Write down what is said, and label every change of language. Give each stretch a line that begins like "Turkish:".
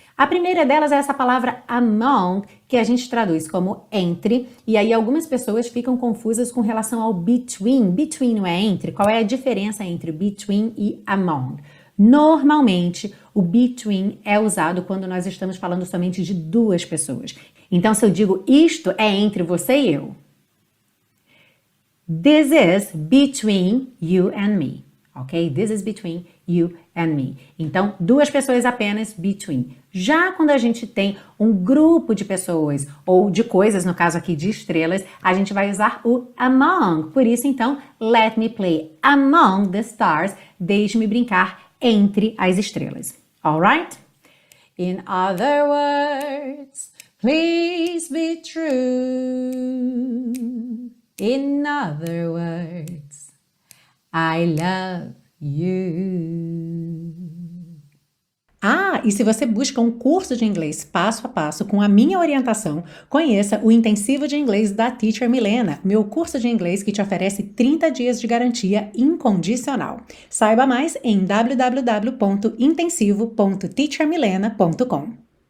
Portuguese: A primeira delas é essa palavra among, que a gente traduz como entre, e aí algumas pessoas ficam confusas com relação ao between. Between não é entre? Qual é a diferença entre between e among? Normalmente, o between é usado quando nós estamos falando somente de duas pessoas. Então, se eu digo isto é entre você e eu.
English: This is between you and me. Ok? This is between you and me.
Portuguese: Então, duas pessoas apenas, between. Já quando a gente tem um grupo de pessoas, ou de coisas, no caso aqui de estrelas, a gente vai usar o among. Por isso, então,
English: let me play among the stars,
Portuguese: deixe-me brincar entre as estrelas.
English: Alright? In other words, please be true. In other words, I love you.
Portuguese: Ah, e se você busca um curso de inglês passo a passo com a minha orientação, conheça o Intensivo de Inglês da Teacher Milena, meu curso de inglês que te oferece 30 dias de garantia incondicional. Saiba mais em www.intensivo.teachermilena.com.